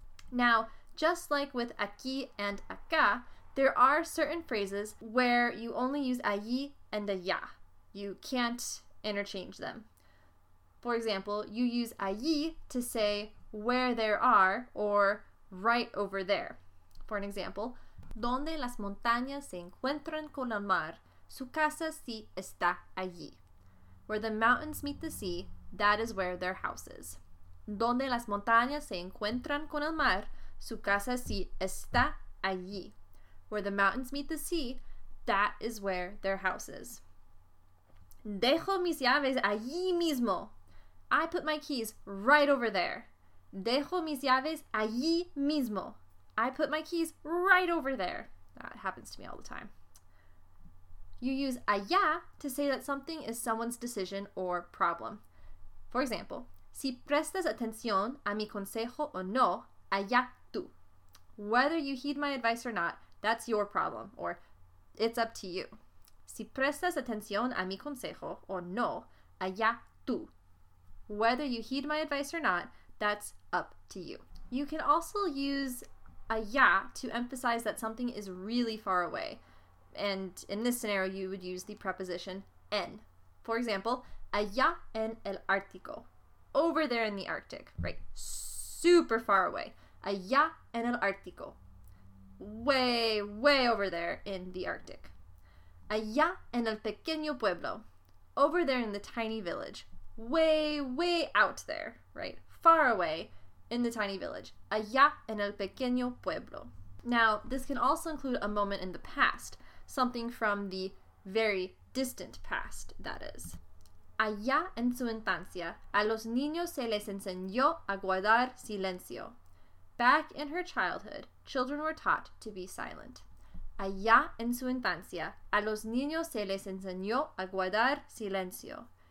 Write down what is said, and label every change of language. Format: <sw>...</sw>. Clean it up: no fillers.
<en>Now, just like with aquí and acá, there are certain phrases where you only use allí and allá. You can't interchange them. For example, you use allí to say where there are or right over there. For an example,</en> <es>donde las montañas se encuentran con el mar, su casa sí está allí.</es> <en>Where the mountains meet the sea, that is where their house is.</en> <es>Donde las montañas se encuentran con el mar, su casa sí está allí.</es> <en>Where the mountains meet the sea, that is where their house is.</en> <es>Dejo mis llaves allí mismo.</es> <en>I put my keys right over there.</en> <es>Dejo mis llaves allí mismo.</es> <en>I put my keys right over there. That happens to me all the time. You use allá to say that something is someone's decision or problem. For example,</en> <es>si prestas atención a mi consejo o no, allá tú.</es> <en>Whether you heed my advice or not, that's your problem, or it's up to you.</en> <es>Si prestas atención a mi consejo o no, allá tú.</es> <en>Whether you heed my advice or not, that's up to you. You can also use allá to emphasize that something is really far away. And in this scenario, you would use the preposition en. For example,</en> <es>allá en el Ártico.</es> <en>Over there in the Arctic, right? Super far away.</en> <es>Allá en el Ártico.</es> <en>Way, way over there in the Arctic.</en> <es>Allá en el pequeño pueblo.</es> <en>Over there in the tiny village. Way, way out there, right? Far away in the tiny village.</en> <es>Allá en el pequeño pueblo.</es> <en>Now, this can also include a moment in the past, something from the very distant past, that is.</en> <es>Allá en su infancia, a los niños se les enseñó a guardar silencio.</es> <en>Back in her childhood, children were taught to be silent.</en> <es>Allá en su infancia, a los niños se les enseñó a guardar silencio.</es>